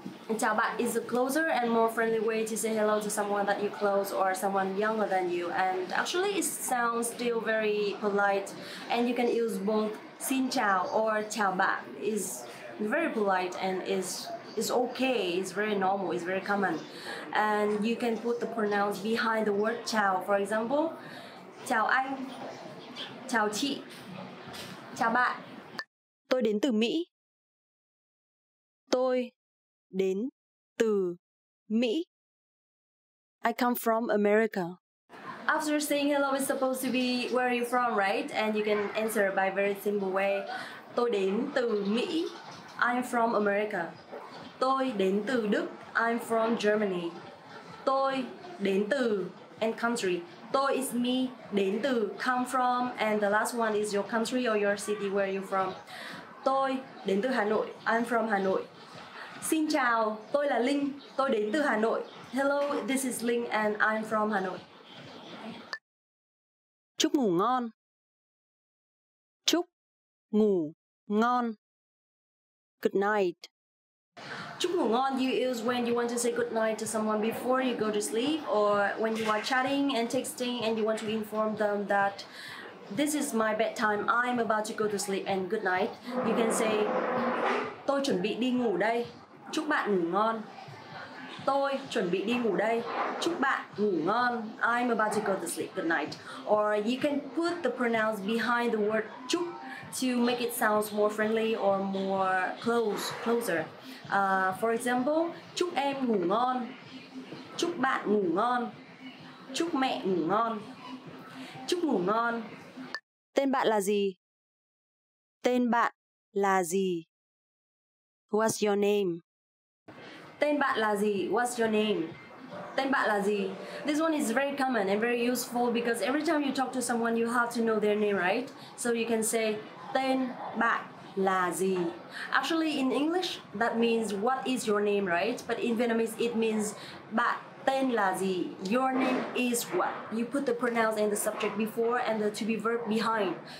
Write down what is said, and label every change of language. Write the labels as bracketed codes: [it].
[en] And chào bạn is a closer and more friendly way to say hello to someone that you close or someone younger than you. And actually, it sounds still very polite. And you can use both xin chào or chào bạn. It's very polite and is okay. It's very normal. It's very common. And you can put the pronouns behind the word chào. For example, chào anh, chào chị, chào bạn. [vi] Tôi đến từ Mỹ. Tôi đến từ Mỹ. [en] I come from America. After saying hello, it's supposed to be where are you from, right? And you can answer by very simple way. [vi] Tôi đến từ Mỹ. [en] I'm from America. [vi] Tôi đến từ Đức. [en] I'm from Germany. [vi] Tôi đến từ [en] and country. Tôi is me. [vi] Đến từ [en] come from. And the last one is your country or your city. Where are you from? [vi] Tôi đến từ Hà Nội. [en] I'm from Hà Nội. [vi] Xin chào, tôi là Linh, tôi đến từ Hà Nội. [en] Hello, this is Linh and I'm from Hà Nội. [vi] Chúc ngủ ngon. Chúc ngủ ngon. [en] Good night. Chúc ngủ ngon you use when you want to say good night to someone before you go to sleep, or when you are chatting and texting and you want to inform them that this is my bedtime, I'm about to go to sleep and good night. You can say [vi] tôi chuẩn bị đi ngủ đây. Chúc bạn ngủ ngon. Tôi chuẩn bị đi ngủ đây. Chúc bạn ngủ ngon. [en] I'm about to go to sleep. Good night. Or you can put the pronouns behind the word chúc to make it sound more friendly or more closer. For example, [vi] chúc em ngủ ngon. Chúc bạn ngủ ngon. Chúc mẹ ngủ ngon. Chúc ngủ ngon. Tên bạn là gì? Tên bạn là gì? [en] What's your name? [vi] Tên bạn là gì? [en] What's your name? [vi] Tên bạn là gì? [en] This one is very common and very useful because every time you talk to someone, you have to know their name, right? So you can say, [vi] tên bạn là gì? [en] Actually, in English, that means what is your name, right? But in Vietnamese, it means [vi] bạn tên là gì? [en] Your name is what? You put the pronouns and the subject before and the to-be verb behind.